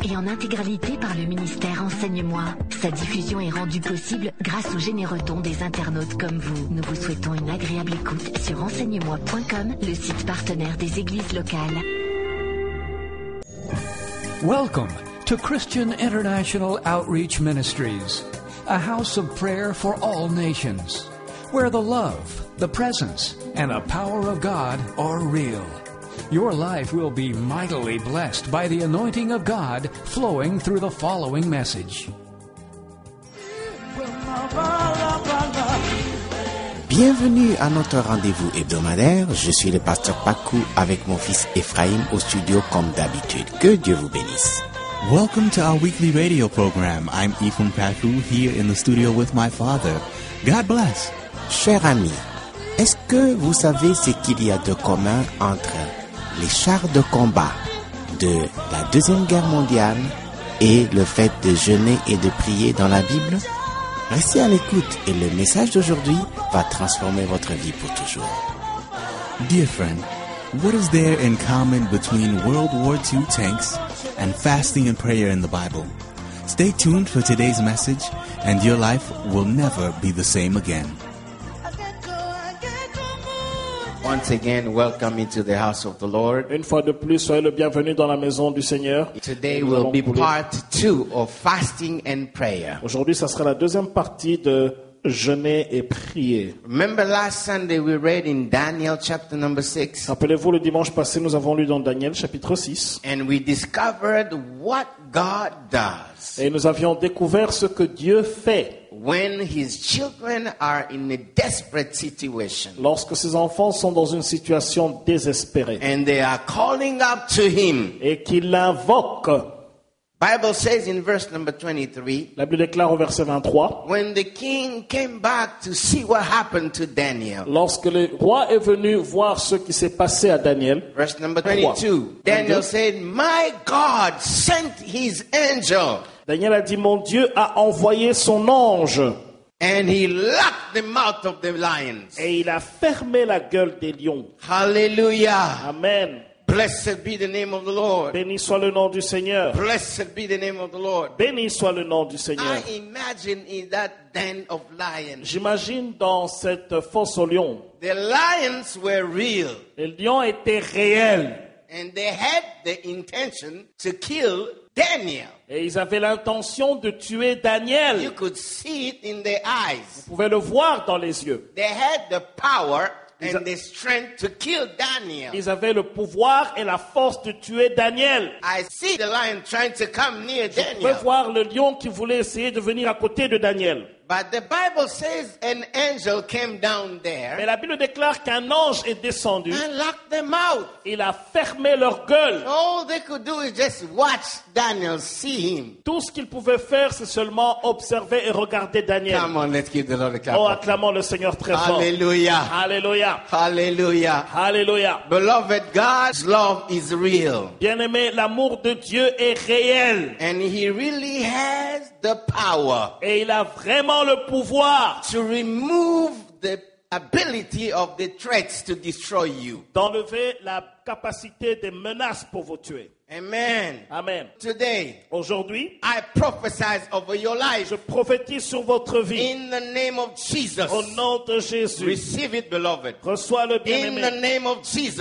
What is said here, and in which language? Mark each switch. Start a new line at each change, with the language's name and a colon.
French: Et en intégralité par le ministère Enseigne-moi. Sa diffusion est rendue possible grâce aux généreux dons des internautes comme vous. Nous vous souhaitons une agréable écoute sur enseignemoi.com, le site partenaire des églises locales.
English: Welcome to Christian International Outreach Ministries, a house of prayer for all nations, where the love, the presence, and the power of God are real. Your life will be mightily blessed by the anointing of God flowing through the following message.
French: Bienvenue à notre rendez-vous hebdomadaire. Je suis le pasteur Pakou avec mon fils Ephraim au studio comme d'habitude. Que Dieu vous bénisse.
English: Welcome to our weekly radio program. I'm Ephraim Pakou here in the studio with my father. God bless.
French: Cher ami, est-ce que vous savez ce qu'il y a de commun entre les chars de combat de la Deuxième Guerre mondiale et le fait de jeûner et de prier dans la Bible? Restez à l'écoute et le message d'aujourd'hui va transformer votre vie pour toujours.
English: Dear friend, what is there in common between World War II tanks and fasting and prayer in the Bible? Stay tuned for today's message and your life will never be the same again. Once again, welcome into the house of the Lord.
French: Une fois de plus, soyez le bienvenu dans la maison du Seigneur.
English: Today will be part two of fasting and prayer.
French: Aujourd'hui, ça sera la deuxième partie de jeûner et prier.
English: Remember last Sunday we read in Daniel chapter number 6.
French: Rappelez-vous le dimanche passé, nous avons lu dans Daniel chapitre 6.
English: And we discovered what God does.
French: Et nous avions découvert ce que Dieu fait.
English: When his children are in a desperate situation.
French: Lorsque ses enfants sont dans une situation désespérée.
English: And they are calling up to him.
French: Et qu'il l'invoque.
English: Bible says in verse number 23.
French: La Bible déclare au verset 23.
English: When the king came back to see what happened to Daniel.
French: Lorsque le roi est venu voir ce qui s'est passé à Daniel.
English: Verse number 22. Daniel said, "My God sent his angel."
French: Daniel a dit, mon Dieu a envoyé son ange.
English: And he locked the mouth of the lions.
French: Et il a fermé la gueule des lions. Hallelujah. Amen.
English: Blessed be the name of the Lord.
French: Béni soit le nom du Seigneur.
English: Blessed be the name of the Lord.
French: Béni soit le nom du Seigneur.
English: I imagine in that den of lions.
French: J'imagine dans cette fosse aux lions.
English: The lions were real.
French: Les lions étaient réels.
English: And they had the intention to kill Daniel.
French: Et ils avaient l'intention de tuer Daniel.
English: You could see it in their eyes.
French: Vous pouvez le voir dans les yeux.
English: They had the power and the strength to kill Daniel.
French: Ils avaient le pouvoir et la force de tuer Daniel.
English: I see the lion trying to come near Daniel.
French: Je peux voir le lion qui voulait essayer de venir à côté de Daniel.
English: But the Bible says an angel came down there.
French: Mais la Bible déclare qu'un ange est descendu.
English: And locked them out.
French: Il a fermé leur gueule.
English: All they could do is just watch Daniel see him.
French: Tout ce qu'ils pouvaient faire, c'est seulement observer et regarder Daniel.
English: Come on, let's give the Lord a clap.
French: Oh, acclamons le Seigneur très fort. Hallelujah. Hallelujah. Hallelujah. Hallelujah.
English: Beloved, God's love is real.
French: Bien-aimé, l'amour de Dieu est réel.
English: And he really has the power.
French: Et il a vraiment le pouvoir
English: to remove the ability of the threats to destroy you.
French: D'enlever la capacité des menaces pour vous tuer. Amen. Amen.
English: Today,
French: aujourd'hui,
English: I prophesize over your life.
French: Je prophétise sur votre vie.
English: In the name of Jesus.
French: Au nom de Jésus.
English: Receive it, beloved.
French: Reçois le bien-aimé.
English: In the name of Jesus.